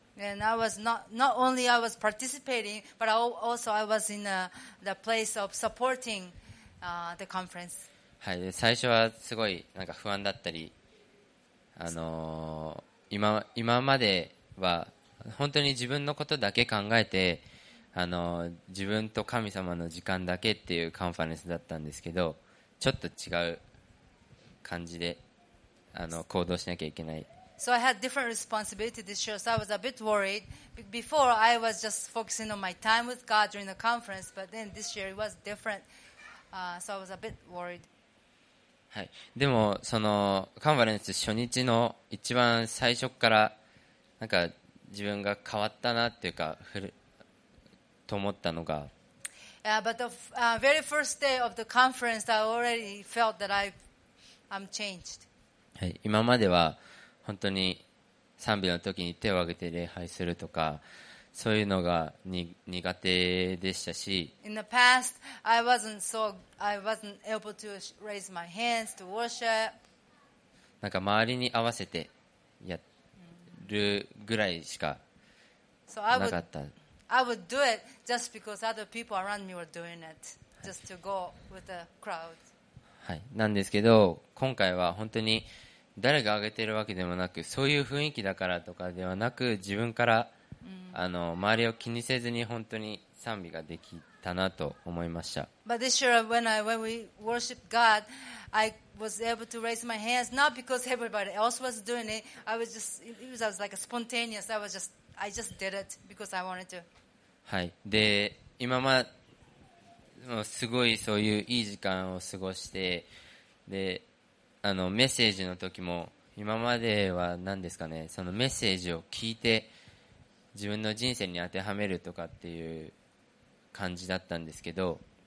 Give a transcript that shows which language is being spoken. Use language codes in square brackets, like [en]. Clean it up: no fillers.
[en] And I was not only I was participating, but also I was in the place of supporting the conference. [ja] はい、最初はすごいなんか不安だったり、今までは本当に自分のことだけ考えて、自分と神様の時間だけっていうカンファレンスだったんですけど、ちょっと違う感じで行動しなきゃいけない。 [en] So I had different responsibility this year, so I was a bit worried. Before I was just focusing on my time with God during the conference, but then this year it was different. So I was a bit worried. [ja] はい。でもそのカンファレンス初日の一番最初からなんか自分が変わったなっていうかと思ったのが。 [en] But the very first day of the conference, I already felt that I'm changed. [ja] はい、今までは本当に賛美の時に手を挙げて礼拝するとかそういうのが苦手でしたし、 [en] In the past, I wasn't able to raise my hands to worship. [ja] なんか周りに合わせてやるぐらいしかなかった。 [en] So I would do it just because other people around me were doing it, just to go with the crowd. [ja] はい、なんですけど今回は本当に誰が挙げているわけでもなくそういう雰囲気だからとかではなく自分から、周りを気にせずに本当に賛美ができたなと思いました。 [en] But this year when we worship God, I was able to raise my hands not because everybody else was doing it. It was like spontaneous. I just did it because I wanted to. [ja] はい、で今まですごいそういういい時間を過ごしてでメッセージの時も今までは何ですかねそのメッセージを聞いて自分の人生に当てはめるとかっていう感じだったんですけど